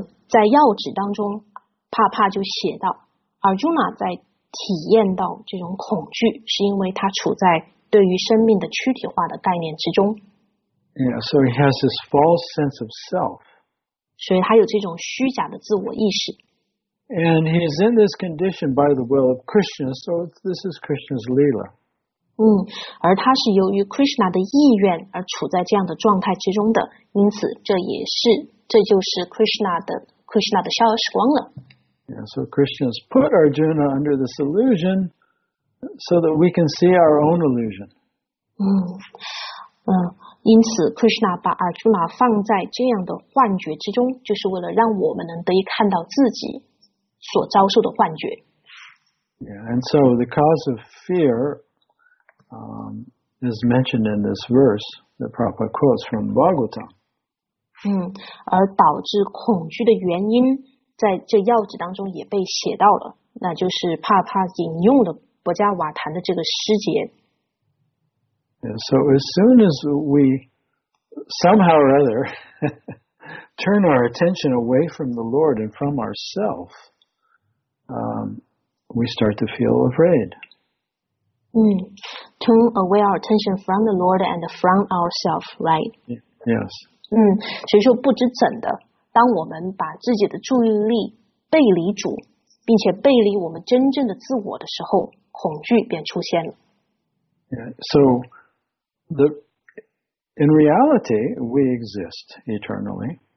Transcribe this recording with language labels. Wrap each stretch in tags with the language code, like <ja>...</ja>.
<zh>在要旨当中，帕帕就写到，阿朱玛在体验到这种恐惧，是因为他处在对于生命的躯体化的概念之中。</zh> <en>Yeah, so he has this false sense of self.</en> <zh>所以他有这种虚假的自我意识。</zh> <en>And he is in this condition by the will of Krishna. So this is Krishna's leela.</en> <zh>而他是由于 Krishna 的意愿而处在这样的状态之中的，因此这就是 Krishna 的逍遥时光了。</zh> <en>Yeah, so Krishna has put Arjuna under this illusion so that we can see our own illusion.</en> <zh>因此 Krishna 把 Arjuna 放在这样的幻觉之中，就是为了让我们能得以看到自己所遭受的幻觉。</zh> <en>Yeah, and so the cause of fear, is mentioned in this verse that Prabhupada quotes from Bhagavatam.</en> <zh>嗯，而导致恐惧的原因，在这要旨当中也被写到了，那就是帕帕引用了博加瓦坦的这个诗节。</zh> <en>Yeah, so as soon as we somehow or other turn our attention away from the Lord and from ourselves, we start to feel afraid. Turn away our attention from the Lord and from ourselves, right? Yes.</en> <zh>所以说不知怎的，当我们把自己的注意力背离主，并且背离我们真正的自我的时候，恐惧便出现了。</zh> <en>So, in reality, we exist eternally.</en>